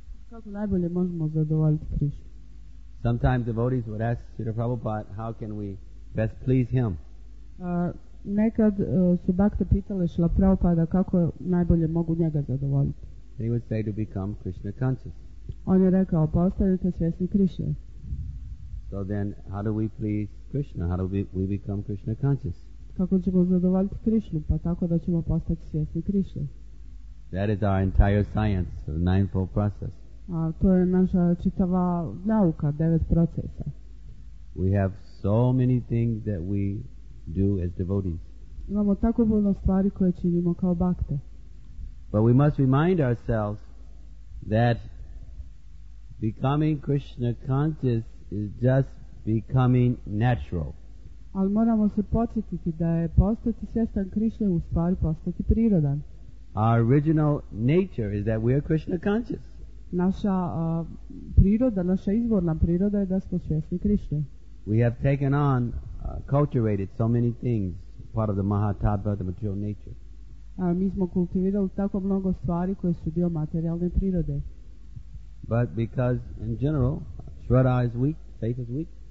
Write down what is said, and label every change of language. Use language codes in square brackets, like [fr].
[hr] Kako najbolje možemo zadovoljiti Krishna? [en] Sometimes devotees would ask Srila Prabhupada, how can we best please him? [hr] Nekad su bhakte pitale Srila Prabhupada kako najbolje mogu njega zadovoljiti. [en] He would say to become Krishna conscious. [hr] On je rekao, postavite svjesni Krishna. [en] So then, how do we please Krishna? How do we become Krishna conscious? [hr] Kako ćemo zadovoljiti Krishnu? Pa tako da ćemo postati svjesni Krishna. [en] That is our entire science of the ninefold process. [hr] A to je naša čitava nauka, devet procesa. [en] We have so many things that we do as devotees. [hr] Imamo tako puno stvari koje činimo kao bhakte. [en] But we must remind ourselves that becoming Krishna conscious is just becoming natural. [hr] Ali moramo se podsjetiti da je postati svjestan Krishna u stvari postati prirodan. [en] Our original nature is that we are Krishna conscious. [hr] Naša priroda, naša izvorna priroda je da smo svjesni Krishna. [en] We have taken on, cultivated so many things, part of the Mahatattva, the material nature. [hr] Mi smo kultivirali tako mnogo stvari koje su dio materijalne prirode. [en] But because in general Shraddha is weak, faith is weak.